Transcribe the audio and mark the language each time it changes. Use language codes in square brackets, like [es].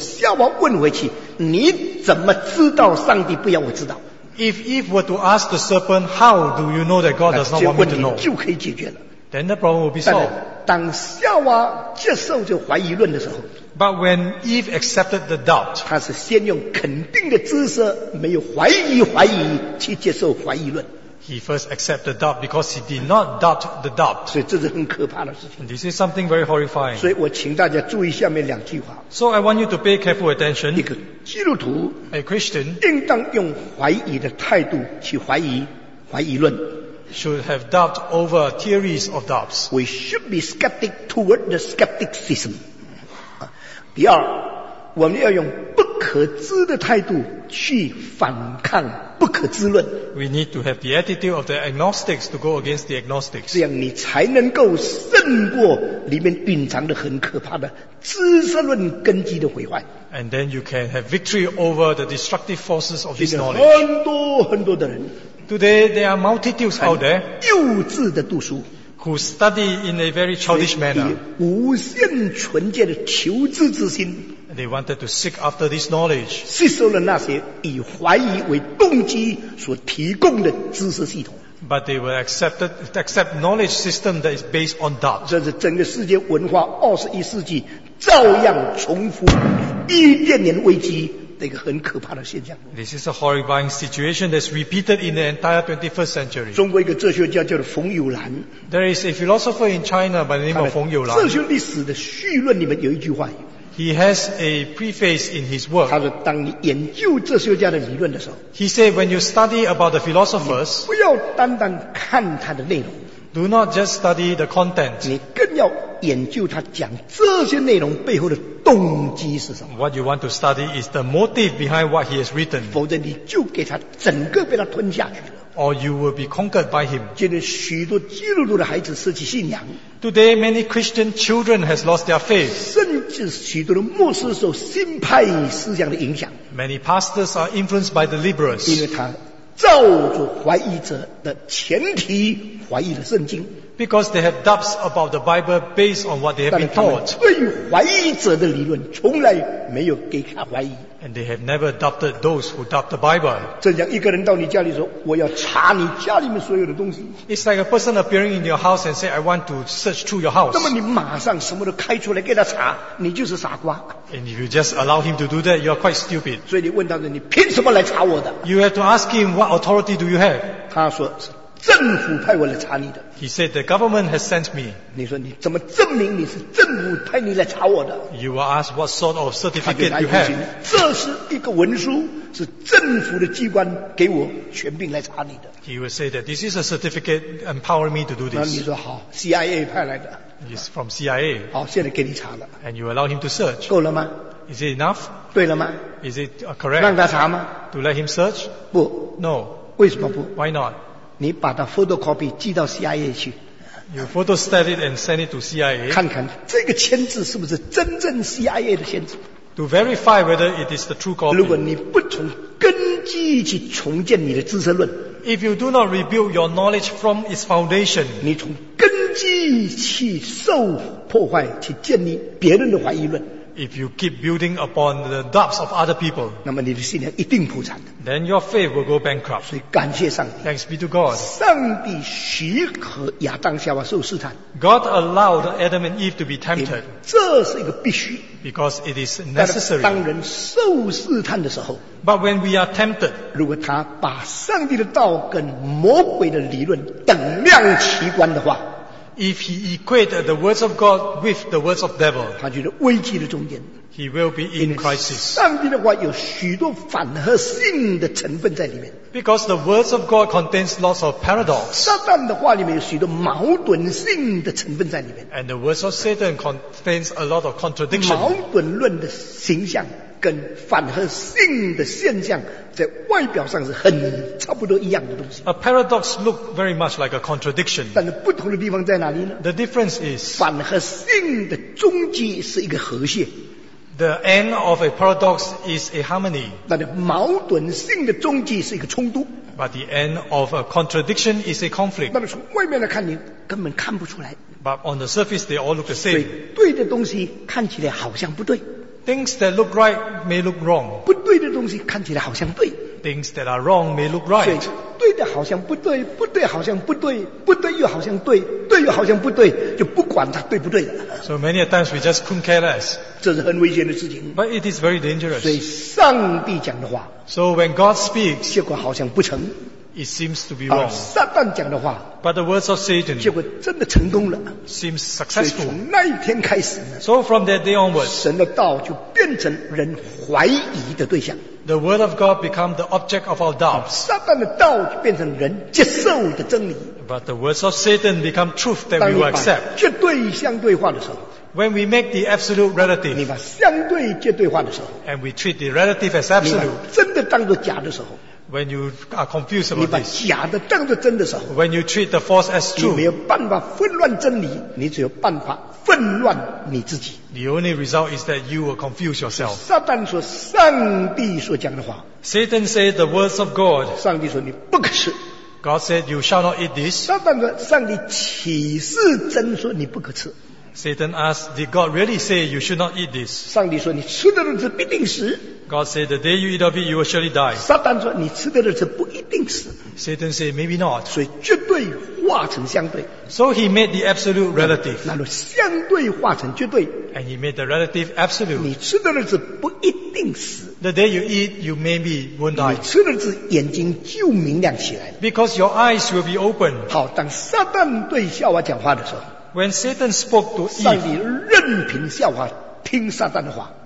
[zh] 夏娃问回去，你怎么知道上帝不要我知道 [en] ？If Eve were to ask the serpent, how do you know that God does not want me to know? [zh] 就可以解决了。 [en] Then the problem will be solved. [zh] 当夏娃接受这怀疑论的时候 [en] ，But when Eve accepted the doubt, [zh] 他是先用肯定的知识，没有怀疑怀疑去接受怀疑论。 [en] He first accepted the doubt because he did not doubt the doubt. [zh] 所以这是很可怕的事情。 [en] This is something very horrifying. [zh] 所以我请大家注意下面两句话。 [en] So I want you to pay careful attention. [zh] 一个基督徒 [en] ，a Christian， [zh] 应当用怀疑的态度去怀疑怀疑论。 [en] Should have doubt over theories of doubts. We should be skeptic toward the skepticism. [zh] 第二，我们要用不可知的态度去反抗不可知论。 [en] We need to have the attitude of the agnostics to go against the agnostics. [zh] 这样你才能够胜过里面蕴藏的很可怕的知识论根基的毁坏。 [en] And then you can have victory over the destructive forces of this knowledge. [zh] 很多很多的人。 [en] Today there are multitudes out there. [zh] 幼稚的读书。 [en] Who study in a very childish manner. [zh] 无限纯洁的求知之心。 [en] They wanted to seek after this knowledge. [zh] 吸收了那些以怀疑为动机所提供的知识系统。 [en] But they were accept knowledge system that is based on doubt. [zh] 这是整个世界文化二十一世纪照样重复伊甸园危机的一个很可怕的现象。 [en] This is a horrifying situation that's repeated in the entire 21st century. [zh] 中国一个哲学家叫做冯友兰。 [en] There is a philosopher in China by the name of 冯友兰。 [zh] 哲学历史的序论里面有一句话。 [en] He has a preface in his work. [zh] 他说当你研究哲学家的理论的时候。 [en] He said when you study about the philosophers. [zh] 不要单单看他的内容。 [en] Do not just study the content. [zh] 你更要研究他讲这些内容背后的动机是什么。 [en] What you want to study is the motive behind what he has written. [zh] 否则你就给他整个被他吞下去了。 [en] Or you will be conquered by him. [zh] 今天许多基督徒的孩子失去信仰。 [en] Today many Christian children has lost their faith. [zh] 甚至许多的牧师受新派思想的影响。 [en] Many pastors are influenced by the liberals. [zh] 因为他照着怀疑者的前提怀疑了圣经。 [en] Because they have doubts about the Bible based on what they have been taught. [zh] 对于怀疑者的理论从来没有给他怀疑。 [en] And they have never doubted those who doubt the Bible. [zh] 正像一个人到你家里说我要查你家里面所有的东西。 [en] It's like a person appearing in your house and say, I want to search through your house. [zh] 那么你马上什么都开出来给他查你就是傻瓜。 [en] And if you just allow him to do that, you are quite stupid. [zh] 所以你问他说你凭什么来查我的。 [en] You have to ask him, what authority do you have? [zh] 他说政府派我来查你的。 [en] He said the government has sent me. [zh] 你说你怎么证明你是政府派你来查我的？ [en] You will ask what sort of certificate you have. [zh] 这是一个文书，是政府的机关给我权柄来查你的。 [en] He will say that this is a certificate empowering me to do this. [zh] 那你说好 ，CIA 派来的。 [en] It's from CIA. [zh] 好，现在给你查了。 [en] And you allow him to search. [zh] 够了吗？ [en] Is it enough? [zh] 对了吗 [en] ？Is it correct? [zh] 让他查吗 [en] ？To let him search? [zh] 不。 [en] No. [zh] 为什么不 [en] ？Why not? [zh] 你把它 photocopy 寄到 CIA 去 [en] You photostat it and send it to CIA [zh] 看看这个签字是不是真正 CIA 的签字 [en] To verify whether it is the true copy [zh] 如果你不从根基去重建你的知识论 [en] If you do not rebuild your knowledge from its foundation [zh] 你从根基去受破坏去建立别人的怀疑论 [en] If you keep building upon the doubts of other people, [zh] 那么你的信仰一定破产的。 [en] Then your faith will go bankrupt. [zh] 所以感谢上帝。 [en] Thanks be to God. [zh] 上帝许可亚当夏娃受试探。 [en] God allowed Adam and Eve to be tempted. [zh] 这是一个必须。 [en] Because it is necessary. [zh] 当人受试探的时候。 [en] But when we are tempted, [zh] 如果他把上帝的道跟魔鬼的理论等量齐观的话。 [en] If he equate the words of God with the words of devil, [zh] 他就在危机的中间。 [en] He will be in crisis. [zh] 上帝的话有许多反合性的成分在里面。 [en] Because the words of God contains lots of paradox. [zh] 撒旦的话里面有许多矛盾性的成分在里面。 [en] And the words of Satan contains a lot of contradiction. [zh] 矛盾论的形象跟反合性的现象在外表上是很差不多一样的东西。 [en] A paradox looks very much like a contradiction. [zh] 但是不同的地方在哪里呢 [en] ？The difference is [zh] 反合性的终极是一个和谐。 [en] The end of a paradox is a harmony. [zh] 但是矛盾性的终极是一个冲突。 [en] But the end of a contradiction is a conflict. [zh] 但是从外面来看，你根本看不出来。 [en] But on the surface, they all look the same. [zh] 对的东西看起来好像不对。 [en] Things that look right may look wrong. [zh] 不对的东西看起来好像对。 [en] Things that are wrong may look right. [zh] 对的好像不对，不对好像不对，不对又好像对，对又好像不对，就不管它对不对了。 [en] So many a times we just couldn't care less. [zh] 这是很危险的事情。 [en] But it is very dangerous. [zh] 所以上帝讲的话。 [en] So when God speaks, [zh] 结果好像不成。 [en] It seems to be wrong. [zh] 撒旦讲的话 [en] But the words of Satan [zh] 结果真的成功了 [en] seems successful. [zh] 从那一天开始呢 [en] So from that day onwards, [zh] 神的道就变成人怀疑的对象 [en] The word of God become the object of our doubts. [zh] 撒旦的道就变成人接受的真理 [en] But the words of Satan become truth that we will accept. [zh] 当你把绝对相对化的时候 [en] When we make the absolute relative, [zh] 你把相对绝对化的时候 [en] and we treat the relative as absolute, [zh] 你把真的当作假的时候 [en] when you are confused about this, [zh] 你把假的当作真的时候 [en] when you treat the false as true, [zh] 你没有办法混乱真理，你只有办法混乱你自己。 [en] The only result is that you will confuse yourself. [zh] 撒旦说上帝所讲的话 [en] Satan said the words of God. [zh] 上帝说你不可吃。 [en] God said you shall not eat this. [zh] 撒旦说上帝岂是真说你不可吃。 [en] Satan asked, did God really say you should not eat this? [zh] 上帝说你吃的日子必定死。 [en] God said, the day you eat of it, you will surely die. [zh] 撒旦说你吃的日子不一定死。 [en] Satan said, maybe not. [zh] 所以绝对化成相对。 [en] So he made the absolute relative. [zh] 那么相对化成绝对。 [en] And he made the relative absolute. [zh] 你吃的日子不一定死。 [en] The day you eat, you maybe won't die. [zh] 你吃的日子眼睛就明亮起来。 [en] Because your eyes will be open. [zh] 好，当撒旦对夏娃讲话的时候 [en] When Satan spoke to Eve, [zh] 上帝任凭夏娃听撒旦的话。